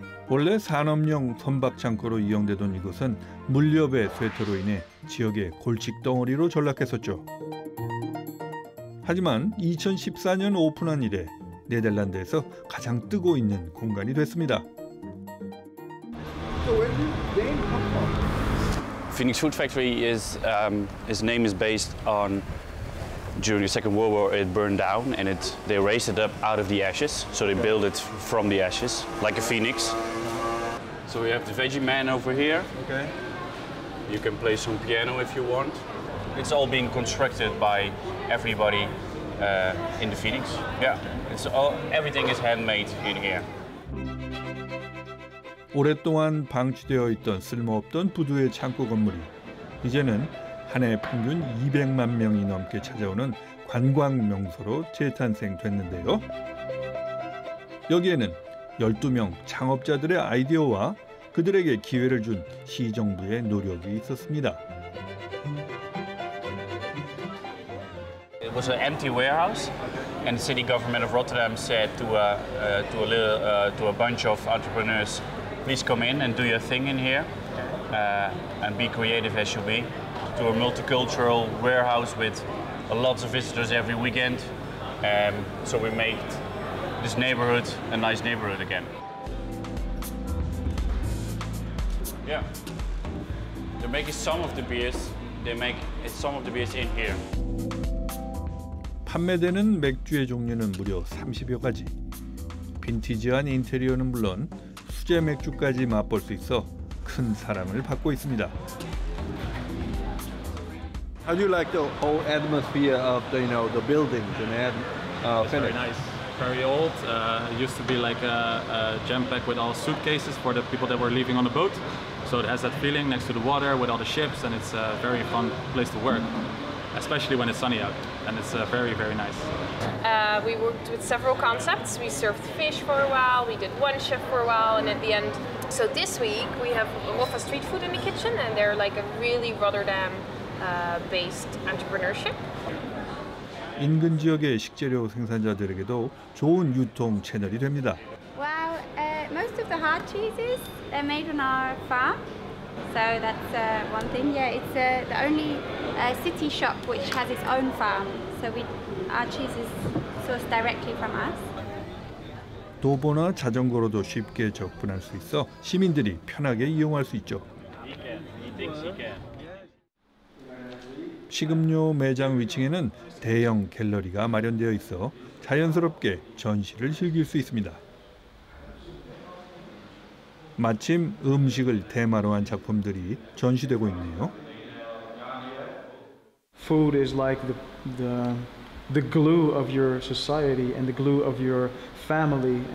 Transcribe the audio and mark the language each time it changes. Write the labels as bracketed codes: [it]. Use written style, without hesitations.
[ko] 원래 산업용 선박 창고로 이용되던 이곳은 물류업의 쇠퇴로 인해 지역의 골칫 덩어리로 전락했었죠. 하지만 2014년 오픈한 이래 네덜란드에서 가장 뜨고 있는 공간이 됐습니다. [en] So where did your name come from? Phoenix Food Factory is his name is based on during the Second World War it burned down and it they raised it up out of the ashes so they built it from the ashes like a phoenix. So we have the veggie man over here. Okay. You can play some piano if you want. It's all being constructed by everybody in the Phoenix. Yeah. It's all everything is handmade in here. [ko] 오랫동안 방치되어 있던 쓸모없던 부두의 창고 건물이 이제는 한 해 평균 200만 명이 넘게 찾아오는 관광 명소로 재탄생됐는데요. 여기에는 12명 창업자들의 아이디어와 그들에게 기회를 준 시 정부의 노력이 있었습니다. [en] It was an empty warehouse and the city government of Rotterdam said to a bunch of entrepreneurs, please come in and do your thing in here and be creative as you be to a multicultural warehouse with lots of visitors every weekend. So we made this neighborhood a nice neighborhood again. Yeah. They're making some of the beers. They make some of the beers in here. [ko] 판매되는 맥주의 종류는 무려 30여 가지. 빈티지한 인테리어는 물론 수제 맥주까지 맛볼 수 있어 큰 사랑을 받고 있습니다. [en] How do you like the whole atmosphere of the, you know, the buildings and It's very nice. Very old. It used to be like a jam pack with all suitcases for the people that were leaving on the boat. So it has that feeling next to the water with all the ships, and it's a very fun place to work, especially when it's sunny out, and it's very, very nice. We worked with several concepts. We served fish for a while. We did one shift for a while, and at the end. So this week we have Wolf of Street Food in the kitchen, and they're like a really Rotterdam. Based entrepreneurship. [ko] 인근 지역의 식재료 생산자들에게도 좋은 유통 채널이 됩니다. [en] Well, most of the hard cheeses they're made on our farm, so that's one thing. Yeah, it's the only city shop which has its own farm, so our cheese is sourced directly from us. [ko] 도보나 자전거로도 쉽게 접근할 수 있어 시민들이 편하게 이용할 수 있죠. [en] He thinks he can. [ko] 식음료 매장 위층에는 대형 갤러리가 마련되어 있어 자연스럽게 전시를 즐길 수 있습니다. 마침 음식을 테마로 한 작품들이 전시되고 있네요. [en] Food is like the glue of your society and the glue of your family.